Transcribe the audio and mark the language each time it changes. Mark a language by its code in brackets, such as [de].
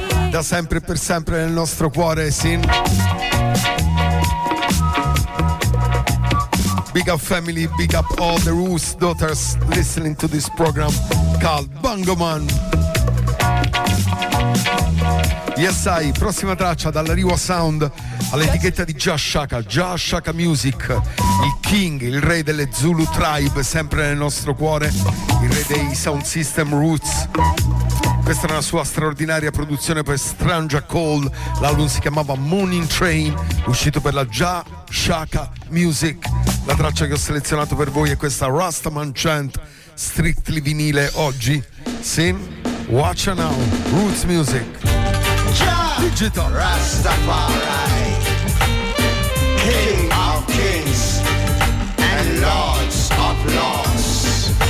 [it] Da sempre e per sempre nel nostro cuore, sin. [en] Big up family, big up all the Ruth's daughters listening to this program called Bangoman. Yes, I, [it] prossima traccia dalla Riwa Sound all'etichetta di Joshaka Music, il king, il re delle Zulu Tribe, sempre nel nostro cuore, il re dei Sound System Roots. Questa è una sua straordinaria produzione per Stranger Cold, l'album si chiamava Morning Train, uscito per la Joshaka Music. La traccia che ho selezionato per voi è questa Rastaman Chant, strictly vinile oggi. Sì? [en] Watch her now, Roots Music. Digital Rastafari, King of Kings and Lords of Lords.